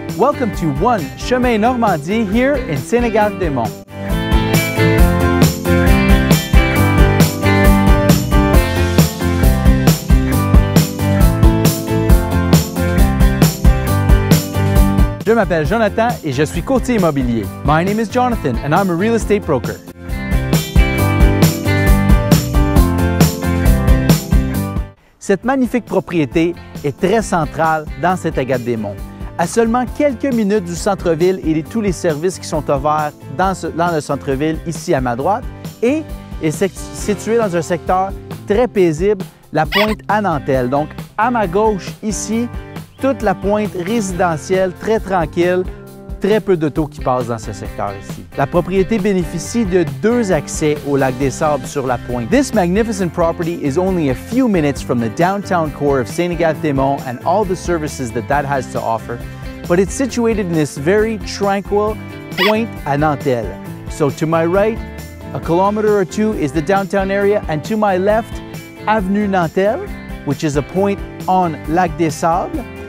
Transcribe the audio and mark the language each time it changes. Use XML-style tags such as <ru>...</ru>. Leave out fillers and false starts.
<en>Welcome to 1 Chemin Normandie here in Sainte-Agathe-des-Monts.</en> <fr>Je m'appelle Jonathan et je suis courtier immobilier.</fr> <en>My name is Jonathan and I'm a real estate broker.</en> <fr>Cette magnifique propriété est très centrale dans Sainte-Agathe-des-Monts. À seulement quelques minutes du centre-ville et de tous les services qui sont offerts dans le centre-ville, ici à ma droite, et est située dans un secteur très paisible, la pointe à Nantelle. Donc, à ma gauche, ici, toute la pointe résidentielle, très tranquille, très peu d'auto qui passent dans ce secteur ici. La propriété bénéficie de deux accès au lac des Sables sur la pointe.</fr> <en>This magnificent property is only a few minutes from the downtown core of Sainte-Agathe-des-Monts and all the services that that has to offer, but it's situated in this very tranquil point à Nantelle. So to my right, a kilometer or two is the downtown area, and to my left, Avenue Nantelle, which is a point on Lac des Sables.</en>